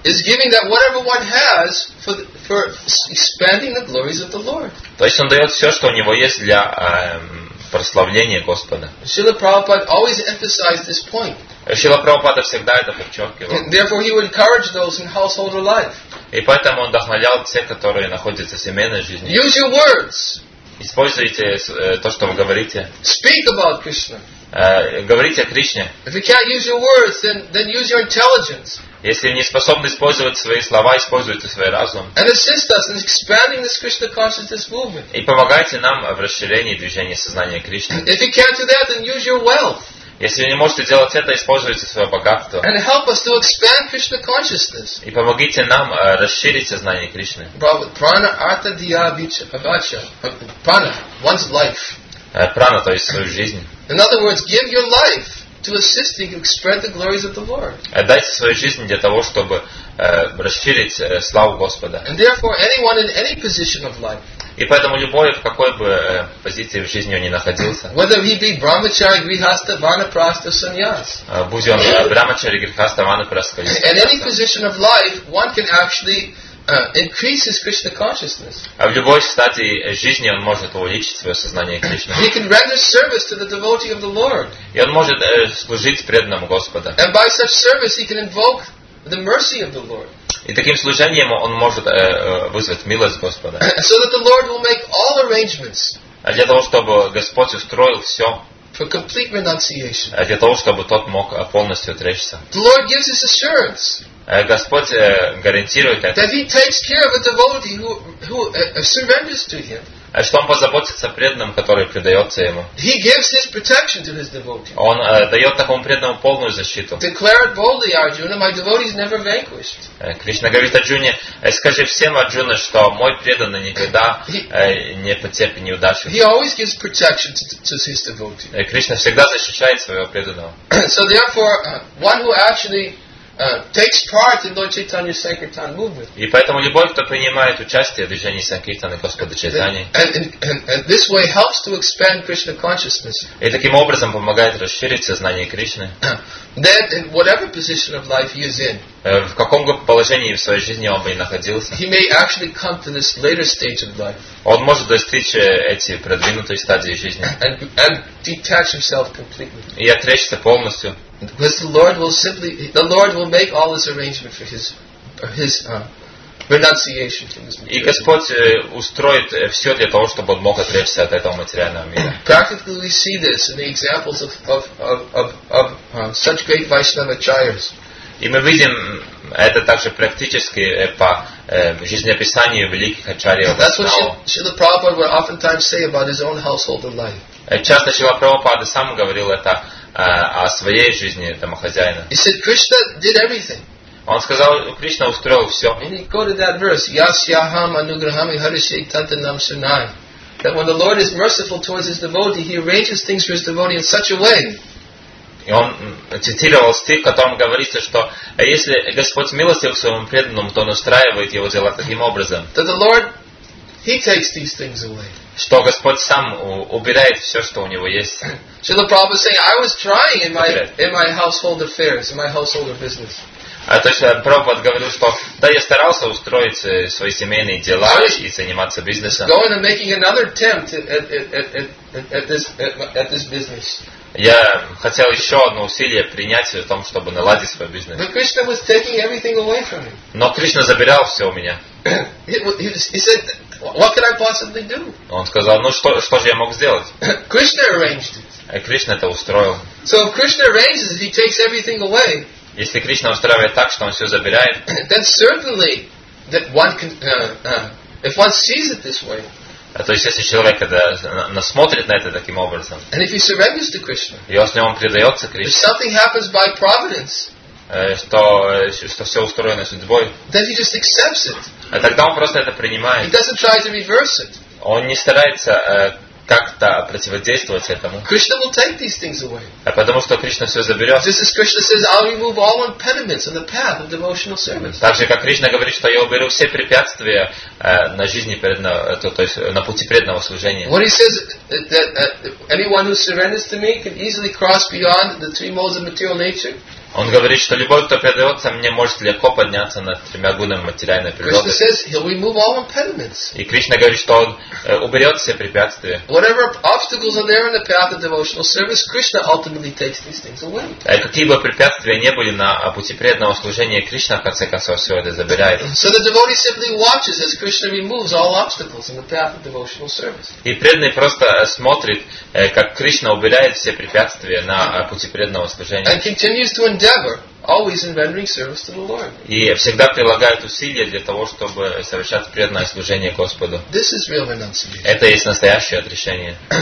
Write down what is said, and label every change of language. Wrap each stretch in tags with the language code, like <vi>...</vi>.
<en>Is giving that whatever one has for expanding the glories of the Lord.</en> <ru>То есть он дает все, что у него есть для прославления Господа.</ru> <en>Srila Prabhupada always emphasized this point.</en> <ru>Srila Prabhupada всегда это подчеркивал.</ru> <en>Therefore, he would encourage those in householder life.</en> <ru>И поэтому он вдохновлял тех, которые находятся в семейной жизни.</ru> <en>Use your words.</en> <ru>Используйте то, что вы говорите.</ru> <en>Speak about Krishna.</en> <ru>Говорите о Кришне.</ru> <en>If you can't use your words, then use your intelligence.</en> <ru>Если не способны использовать свои слова, используйте свой разум.</ru> <en>And assist us in expanding this Krishna consciousness movement.</en> <ru>И помогайте нам в расширении движения сознания Кришны.</ru> <en>If you can't do that, then use your wealth.</en> <ru>Если вы не можете делать это, используйте свое богатство.</ru> <en>And help us to expand Krishna consciousness.</en> <ru>И помогите нам расширить сознание Кришны.</ru> <sa>Prana artha diya vicha. Prana,</sa> <en>one's life.</en> <ru>Прана, то есть свою жизнь.</ru> <en>In other words, give your life to assisting to spread the glories of the Lord.</en> <ru>Отдайте свою жизнь для того, чтобы расширить славу Господа.</ru> <en>And therefore, anyone in any position of life.</en> <ru>И поэтому любой, в какой бы позиции в жизни он ни находился.</ru> <en>Whether he be brahmachari, grihastha, vanaprastha, sannyas.</en> <ru>Будь он брахмачари, грихастха, ванапрастха.</ru> <en>In any position of life, one can actually increases Krishna consciousness.</en> <ru>А в любой стадии жизни он может увеличить свое сознание Кришны.</ru> <en>He can render service to the devotee of the Lord.</en> <ru>И он может служить преданному Господа.</ru> <en>And by such service, he can invoke the mercy of the Lord.</en> <ru>И таким служением он может вызвать милость Господа.</ru> <en>So that the Lord will make all arrangements.</en> <ru>А для того, чтобы Господь устроил все.</ru> <en>For complete renunciation.</en> <ru>А для того, чтобы тот мог полностью отречься.</ru> <en>The Lord gives his assurance.</en> <ru>Господь гарантирует это.</ru> <en>That he takes care of a devotee who surrenders to him.</en> <ru>Что он позаботится о преданном, который предается ему.</ru> <en>He gives his protection to his devotee.</en> <ru>Он дает такому преданному полную защиту.</ru> <en>Declare it boldly, Arjuna, my devotee is never vanquished.</en> <ru>Кришна говорит Арджуне: скажи всем, Арджуна, что мой преданный никогда не потерпит неудачу.</ru> <en>He always gives protection to his devotee.</en> <ru>Кришна всегда защищает своего преданного.</ru> <en>So therefore, one who actually takes part in Lord Chaitanya's Sankirtan movement.</en> <ru>И поэтому любой, кто принимает участие в движении Санкиртаны Господа Чайтани,</ru> <en>and this way helps to expand Krishna consciousness.</en> <ru>И таким образом помогает расширить сознание Кришны.</ru> <en>Then, in whatever position of life he is in,</en> <ru>в каком положении в своей жизни он бы и находился,</ru> <en>he may actually come to this later stage of life.</en> <ru>Он может достичь эти продвинутой стадии жизни.</ru> <en>And detach himself completely.</en> <ru>И отречься полностью.</ru> <en>Because the Lord will make all this arrangement for his renunciation from his material.</en> <ru>И Господь устроит все для того, чтобы он мог отречься от этого материального мира.</ru> <en>Practically, we see this in the examples of such great Vaishnavacharyas.</en> <ru>И мы видим это также практически по жизнеописанию великих ачарьев.</ru> <en>That's what Srila Prabhupada would oftentimes say about his own householder life.</en> <ru>Часто Шрила Прабхупада сам говорил это о своей жизни домохозяина.</ru> <en>He said Krishna did everything.</en> <ru>Он сказал, Кришна устроил все.</ru> <en>And he quoted that verse,</en> <sa>Yasyaham anugraham iharishek tantanam sunai.</sa> <en>That when the Lord is merciful towards his devotee, he arranges things for his devotee in such a way.</en> <ru>И он цитировал стих, в котором говорится, что если Господь милостив к своему преданному, то он устраивает его дела таким образом.</ru> <en>That the Lord, he takes these things away.</en> <ru>Что Господь сам убирает все, что у него есть.</ru> <en>Шрила Прабхупада saying, I was trying in my household affairs, in my household business.</en> <ru>А то есть Прабхупада говорил, что да, я старался устроить свои семейные дела и заниматься бизнесом.</ru> <en>Going and making another attempt at this business.</en> <ru>Я хотел еще одно усилие принять в том, чтобы наладить свой бизнес.</ru> <en>But Krishna was taking everything away from me.</en> <ru>Но Кришна забирал все у меня.</ru> <en>He said, what could I possibly do?</en> <ru>Он сказал, ну что же я мог сделать?</ru> <en>Krishna arranged it.</en> <ru>А Кришна это устроил.</ru> <en>So if Krishna arranges it, he takes everything away.</en> <ru>Если Кришна устраивает так, что он все забирает,</ru> <en>then certainly that one can, if one sees it this way,</en> <ru>а то есть если человек когда насмотрит на это таким образом,</ru> <en>and if he surrenders to Krishna,</en> <ru>и если он предается Кришне,</ru> <en>if something happens by providence,</en> <ru>что все устроено судьбой,</ru> <en>then he just accepts it.</en> <ru>А тогда он просто это принимает.</ru> <en>He doesn't try to reverse it.</en> <ru>Он не старается как-то противодействовать этому.</ru> <en>Krishna will take these things away.</en> <ru>А потому что Кришна все заберет.</ru> <en>Just as Krishna says, I'll remove all impediments on the path of devotional service.</en> <ru>Так же, как Кришна говорит, что я уберу все препятствия на жизни преданного, то есть на пути преданного служения.</ru> <en>What he says that anyone who surrenders to me can easily cross beyond the three modes of material nature.</en> <ru>Он говорит, что любой, кто предается мне, может легко подняться над тремя гунами материальной природы.</ru> <en>Says he'll remove all impediments.</en> <ru>И Кришна говорит, что он уберет все препятствия.</ru> <en>Whatever obstacles are there in the path of devotional service, Krishna ultimately takes these things away.</en> <ru>Какие бы препятствия не были на пути преданного служения, Кришна в конце концов все это забирает.</ru> <en>So the devotee simply watches as Krishna removes all obstacles in the path of devotional service.</en> <ru>И преданный просто смотрит, как Кришна убирает все препятствия на пути преданного служения.</ru> <en>And continues to endeavor, always in rendering service to the Lord.</en> <ru>И всегда прилагает усилия для того, чтобы совершать преданное служение Господу.</ru> <en>This is real renunciation.</en> <ru>Это есть настоящее отрешение.</ru>